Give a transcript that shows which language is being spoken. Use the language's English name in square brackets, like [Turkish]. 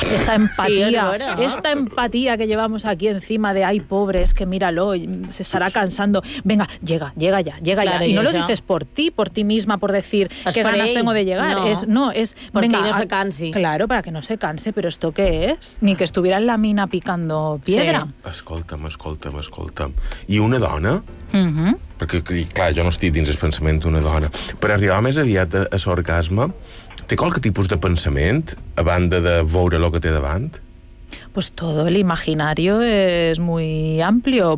[Spanish] Esta empatía, esta empatía que llevamos aquí encima de ¡ay, pobre, es que míralo, se estará cansando! Venga, llega ya. Claro, y no lo dices por ti misma, por decir qué ganas tengo de llegar. No, es... Porque venga, no se canse. Claro, para que no se canse, pero ¿esto qué es? Ni que estuviera en la mina picando piedra. Sí. [Catalan] Escolta'm. Y una dona, perquè clar, jo no estic dins el pensament d'una dona, per arribar més aviat a l'orgasme té qualque tipus de pensament a banda de veure el que té davant? [Spanish] Pues todo el imaginario es muy amplio.